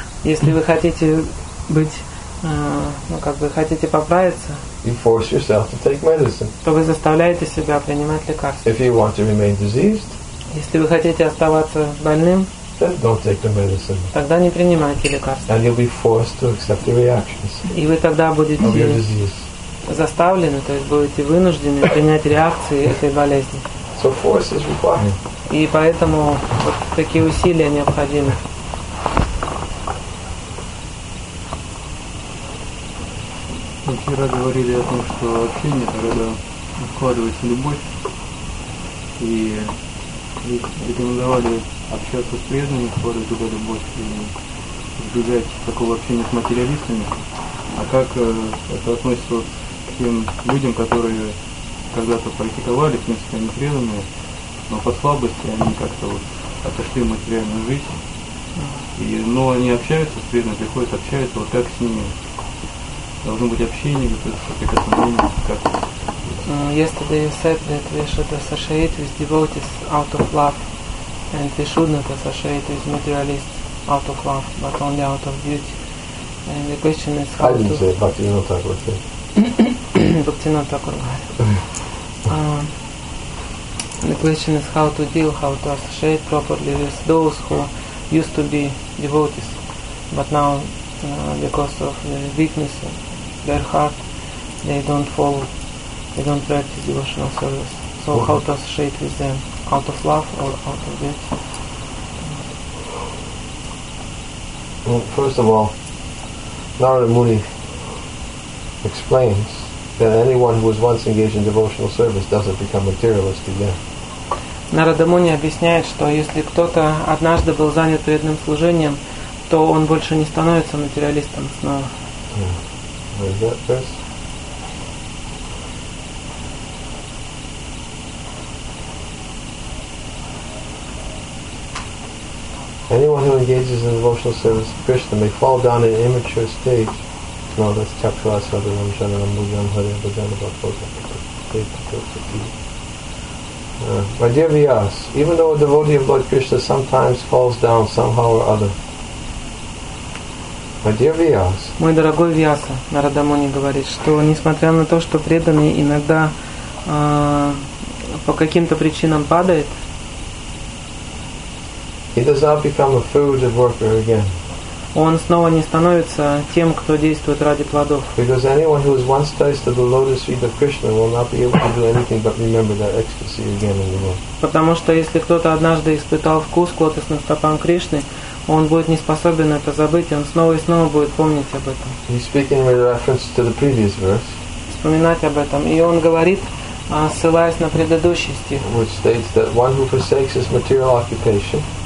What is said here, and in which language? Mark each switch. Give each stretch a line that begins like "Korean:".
Russian: если вы хотите быть, ну как бы хотите поправиться,
English: you force yourself to take medicine.
Russian: То вы заставляете себя принимать лекарства.
English: If you want to remain diseased,
Russian: если вы хотите оставаться больным,
English: then don't take the medicine.
Russian: Тогда не принимайте лекарства.
English: And you'll be forced to accept the reactions.
Russian: И вы тогда будете
English: of your disease.
Russian: Заставлены, то есть будете вынуждены принять реакции этой болезни.
English: So force is required.
Russian: И поэтому вот такие усилия необходимы. Мы вчера говорили о том, что общение, когда вкладывается любовь, и рекомендовали общаться с преданными, вкладывать туда любовь, и избегать такого общения с материалистами. А как это относится вот к тем людям, которые когда-то практиковали, в принципе, они преданные, но по слабости они как-то вот отошли в материальную жизнь. Но они общаются с преданными, приходят, общаются, вот как с ними? Должно быть общение, какое-то прикосновение, как?
English: Yesterday you said that we should associate with devotees out of love, and we should not associate with materialists out of love, but only out of duty. And the question is how to... I didn't say Bhaktivinoda Thakur. Bhaktivinoda Thakur. The question is how to deal, how to associate properly with those who used to be devotees, but now, because of the weakness of their heart, they don't follow, they don't practice devotional service. So okay. How to associate with them, out of love or out of duty? Well, first of all, Narada Muni explains that anyone who is once engaged in devotional service doesn't become materialist again.
Russian: Нарада Муни объясняет, что если кто-то однажды был занят преданным служением, то он больше не становится материалистом снова.
English: Yeah. Anyone who engages in devotional service to Krishna may fall down in an immature stage. No, that's Chakrasadaram Janam Bhujan Hari Bhajanabhakosa. My dear Vyas, even though a devotee of Lord Krishna sometimes falls down somehow or other. My dear Vyas.
Russian: Мой дорогой Вьяса, Нарада Муни говорит, что несмотря на то, что преданный иногда по каким-то причинам падает,
English: he does not become a food and worker again.
Russian: Он снова не становится тем, кто действует ради плодов.
English: Because anyone who has once tasted the lotus feet of Krishna will not be able to do anything but remember that ecstasy again and again.
Russian: Потому что если кто-то однажды испытал вкус к лотосным стопам Кришны, он будет не способен это забыть, он снова и снова будет помнить об этом.
English: He's speaking with reference to the previous verse.
Russian: Вспоминать об этом. И он говорит, ссылаясь на предыдущий стих.
English: Which states that one who forsakes his material occupation.